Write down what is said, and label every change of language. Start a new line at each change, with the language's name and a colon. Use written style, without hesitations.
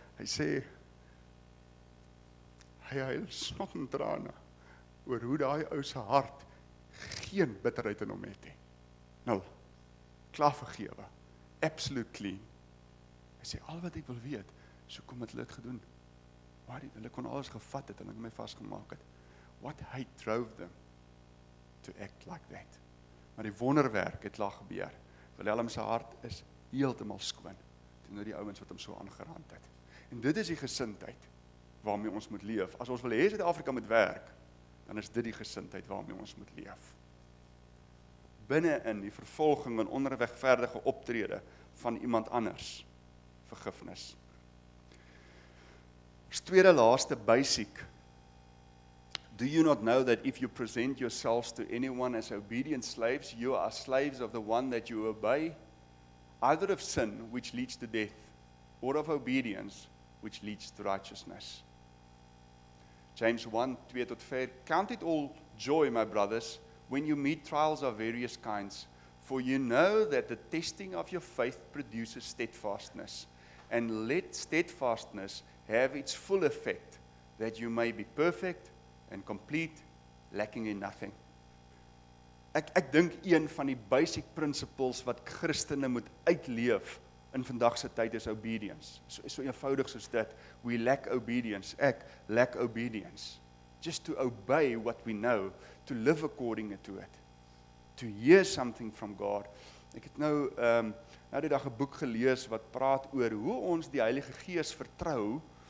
Afrikaans: Hy sê, hy huil snot en trane oor hoe daai ou se hart geen bitterheid in hom het nie. Nou, klaar vergewe, absolute clean. Hy sê, al wat ek wil weet, so kom het hulle het gedoen. Waar hulle kon alles gevat het en hulle my vastgemaak het.
English: What hate drove them to act like that?
Afrikaans: Maar die wonderwerk het laag gebeur. Willem se hart is heeltemal skoon teenoor die ouens wat hom so aangerand het. En dit is die gesindheid waarmee ons moet leef. As ons wil hê Suid-Afrika moet werk, dan is dit die gesindheid waarmee ons moet leef. Binne in die vervolging en onregverdige optrede van iemand anders, vergifnis. Ons tweede laaste basiek.
English: Do you not know that if you present yourselves to anyone as obedient slaves, you are slaves of the one that you obey, either of sin, which leads to death, or of obedience, which leads to righteousness? James 1, 2 tot 4, count it all joy, my brothers, when you meet trials of various kinds, for you know that the testing of your faith produces steadfastness, and let steadfastness have its full effect, that you may be perfect, and complete, lacking in nothing.
Afrikaans: Ek dink een van die basic principles wat Christene moet uitleef in vandagse tyd is obedience. So eenvoudig soos dit,
English: we lack obedience.
Afrikaans: Ek lack obedience.
English: Just to obey what we know, to live according to it, to hear something from God.
Afrikaans: Ek het nou die dag 'n boek gelees wat praat oor hoe ons die Heilige Gees vertrou.